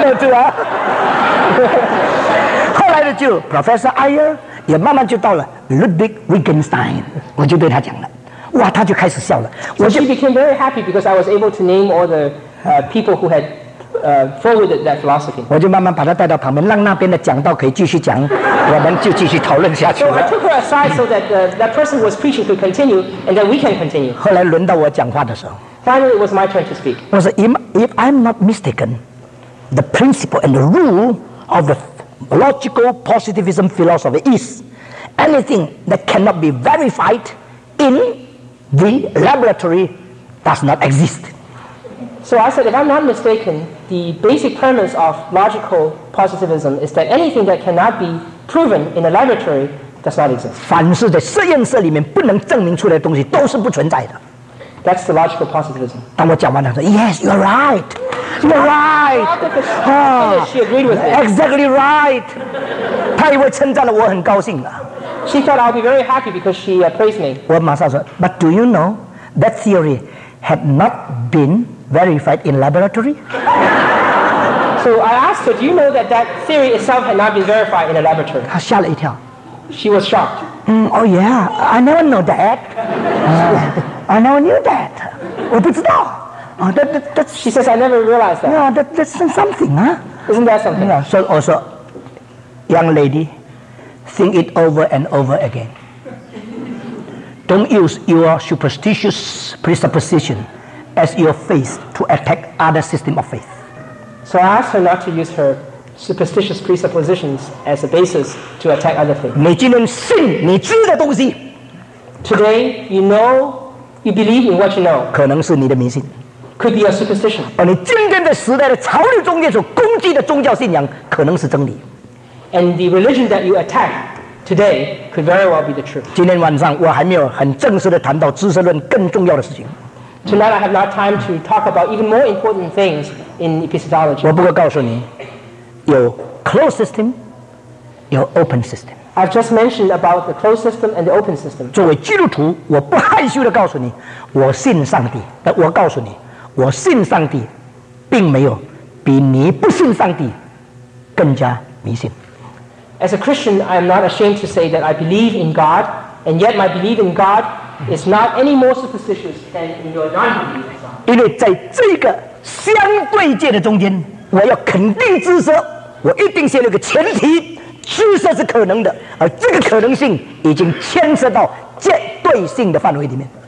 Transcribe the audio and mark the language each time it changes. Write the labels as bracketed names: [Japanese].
[English] You know too, huh? [Chinese] 后来的就 Professor Ayer 也慢慢就到了 Ludwig Wittgenstein 我就对他讲了哇他就开始笑了、 [English] so、she became very happy because I was able to name all the people who had forwarded that philosophy [Chinese] 我就慢慢把他带到旁边让那边的讲到可以继续讲我们就继续讨论下去了 [English] so I took her aside so that that person who was preaching could continue and then we can continue [Chinese] 后来轮到我讲话的时候 [English] finally it was my turn to speak [Chinese] 我说 [English] if I'm not mistakenThe principle and the rule of the logical positivism philosophy is anything that cannot be verified in the laboratory does not exist. So I said, if I'm not mistaken, the basic premise of logical positivism is that anything that cannot be proven in a laboratory does not exist. [Chinese] 凡是在实验室里面不能证明出来的东西都是不存在的。 [English] That's the logical positivism. [Chinese] 当我讲完了，说 [English] Yes, you're right. You're right. She agreed with me. Exactly right. [Chinese] 她以为称赞了我，很高兴了。 [English] She thought I'll be very happy because she praised me. [Chinese] 我马上说 [English] But do you know that theory had not been verified in laboratory? So I asked her, Do you know that that theory itself had not been verified in a laboratory? [Chinese] 她吓了一跳。 [English] She was shocked. Oh yeah, I never know that. I never knew that. [Chinese] 我不知道。 [English] She says, I never realized that. Yeah, that's something, huh? Isn't that something? Yeah, so also, young lady, think it over and over again. Don't use your superstitious presupposition as your faith to attack other system of faith. So I asked her not to use her superstitious presuppositions as a basis to attack other faith. [Chinese] 你今天信你知的东西。 [English] Today, you know... You believe in what you know. [Chinese] 可能是你的迷信 [English] Could be a superstition. [Chinese] 而你今天的时代的潮流中间所攻击的宗教信仰可能是真理 [English] And the religion that you attack today could very well be the truth. [Chinese] 今天晚上我还没有很正式的谈到知识论更重要的事情 [English] Tonight I have not time to talk about even more important things in epistemology. [Chinese] 我不过告诉你有 closed system, 有 open system. [English] I've just mentioned about the closed system and the open system. [Chinese] 作为基督徒，我不害羞地告诉你，我信上帝。我告诉你，我信上帝，并没有比你不信上帝更加迷信。 [English] As a Christian, I am not ashamed to say that I believe in God, and yet my belief in God is not any more superstitious than in your non-belief. [Chinese] 因为在这个相对界的中间，我要肯定知识，我一定先有个前提。知识是可能的，而这个可能性已经牵涉到绝对性的范围里面。